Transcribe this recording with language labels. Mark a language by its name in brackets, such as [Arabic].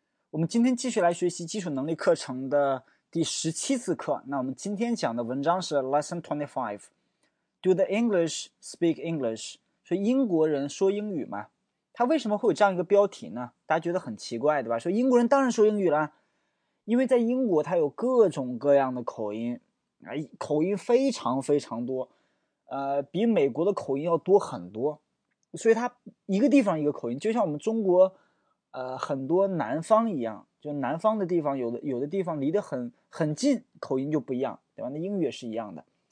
[Chinese] 我们今天继续来学习基础能力课程的第十七次课。那我们今天讲的文章是 [English] Lesson 25 Do the English speak English? [Chinese] 说英国人说英语吗？他为什么会有这样一个标题呢？大家觉得很奇怪，对吧？说英国人当然说英语了，因为在英国他有各种各样的口音，口音非常非常多，比美国的口音要多很多，所以他一个地方一个口音，就像我们中国很多南方一样，就南方的地方有的地方离得很近，口音就不一样，对吧？那英语也是一样的。